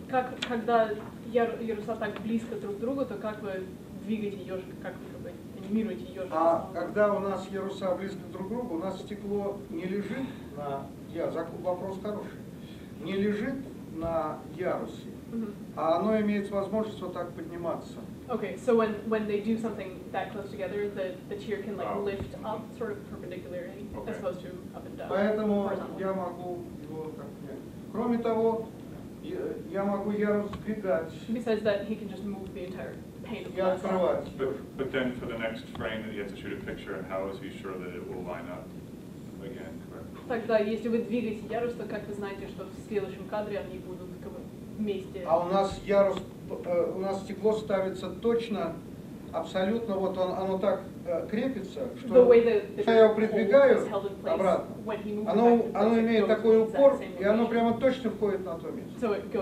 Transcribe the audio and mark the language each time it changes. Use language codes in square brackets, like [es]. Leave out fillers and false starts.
[ru] Как когда яруса так близко друг к другу, то как вы двигаете ёжика, как вы анимируете ёжика? А когда у нас яруса близко друг к другу, у нас стекло не лежит на вопрос хороший. Не лежит на ярусе, а оно имеет возможность вот так подниматься. [en] Okay, so when they do something that close together, the tier can like lift up sort of perpendicularly, okay, as opposed to up and down. [ru] Поэтому я могу его так. Кроме того, я могу ярус сдвигать. [en] Besides that, he can just move the entire pane of glass. [ru] Я открывать. [en] But then for the next frame, that he has to shoot a picture, and how is he sure that it will line up again? [ru] Тогда если вы двигаете ярус, то как вы знаете, что в следующем кадре они будут как бы вместе? А у нас ярус. У нас стекло ставится точно, абсолютно, вот оно так крепится, что когда я его придвигаю обратно, оно имеет такой упор, и оно прямо точно входит на то место.